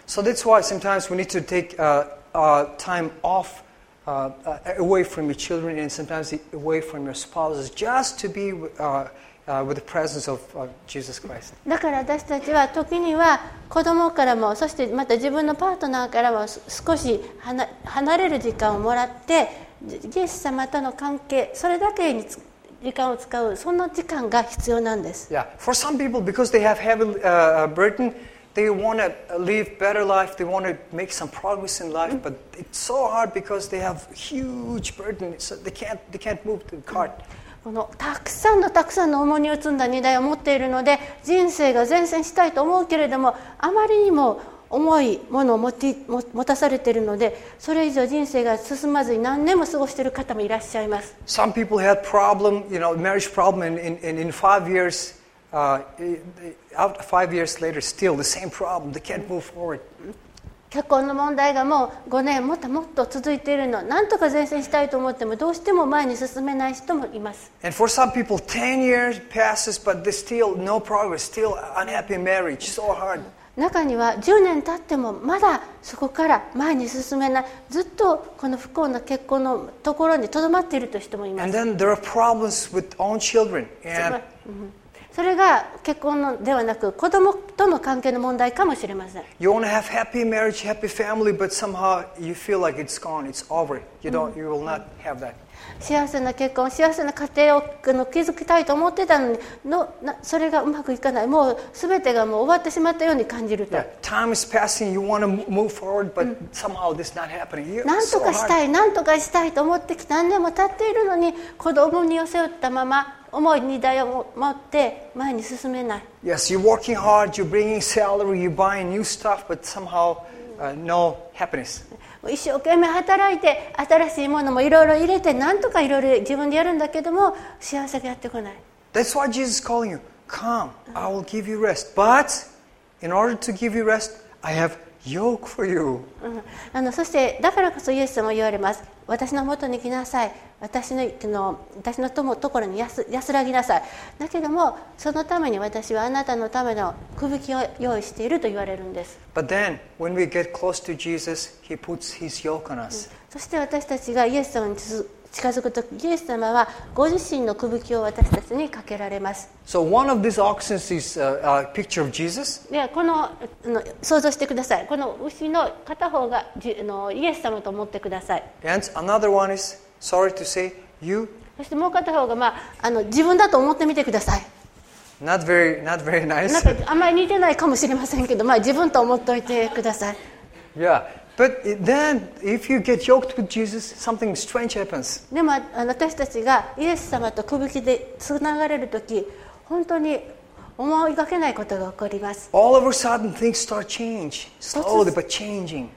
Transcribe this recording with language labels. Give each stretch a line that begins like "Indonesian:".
English: So that's why sometimes we need to take time off. Away from your children and sometimes away from your spouses just to be with the presence of Jesus Christ.
Japanese: だから私たちは時には子供からもそしてまた自分のパートナーからも少し離れる時間をもらってイエス様との関係それだけに時間を使うそんな時間が必要なんです。
English: Yeah. For some people, because they have heavy burden, they want to live better life, they want to make some progress in life, but it's so hard because they have huge burden, so they can't move the cart.
Japanese: このたくさんの重荷を積んだ荷台を持っているので、人生が前進したいと思うけれども、あまりにも重いものを持たされているので、それ以上人生が進まずに何年も過ごしている方もいらっしゃいます。
English: Some people had problem, you know, marriage problem in 5 years,out 5 years later, still the same problem. They can't move forward.
Japanese: 結婚の問題がもう5年もっともっと続いているの。なんとか前進したいと思ってもどうしても前に進めない人もいます。
English: And for some people, 10 years passes, but there's still no progress. Still unhappy marriage. So hard.
Japanese: 中には10年経ってもまだそこから前に進めない。ずっとこの不幸な結婚のところにとどまっているという人もいます。
English: And then there are problems with own children. And
Japanese: それが結婚のではなく子供との関係の問題かもしれません。
English: You want to have happy marriage, happy family, but somehow you feel like it's gone, it's over. You will not have that.
Japanese: 幸せな結婚、幸せな家庭を築きたいと思ってたのに、それがうまくいかない。もう全てがもう終わってしまったように感じると。
English: Yeah. Time is passing, you want to move forward, but somehow this is not happening. You're so hard.
Japanese: 何とかしたいと思ってきて何年も経っているのに、子供に寄せ寄ったまま、重い荷台を持って前に進めない。
English: Yes, you're working hard, you're bringing salary, you're buying new stuff, but somehow no happiness.
Japanese: 一生懸命働いて新しいものもいろいろ入れて何とかいろいろ自分でやるんだけども幸せがやってこない。
English: That's why Jesus is calling you. Come, I will give you rest. But in order to give you rest, I have yoke for you.
Japanese: そしてだからこそイエス様も言われます。私の元に来なさい。私のところに安らぎなさい。だけども、そのために私はあなたのための首輝きを用意していると言われるんです。
English: But then, when we get close to Jesus, he puts his yoke on us.
Japanese: そして私たちがイエス様に近づくとき、イエス様はご自身の首輝きを私たちにかけられます。
English: So one of these oxen is a picture of Jesus?
Japanese: では、この、想像してください。この牛の片方がイエス様と思ってください。
English: And another one is... Sorry to say, you.
Japanese: そしてもう片方が、自分だと思ってみてください。
English: Not very nice.
Japanese: なんかあんまり似てないかもしれませんけど、まあ自分と思っておいてください。
English: Yeah, but then if you get yoked with Jesus, something strange happens.
Japanese: でも私たちがイエス様と首輝きでつながれるとき、本当に思いがけないことが起こります。
English: All of a sudden, things start change slowly but changing.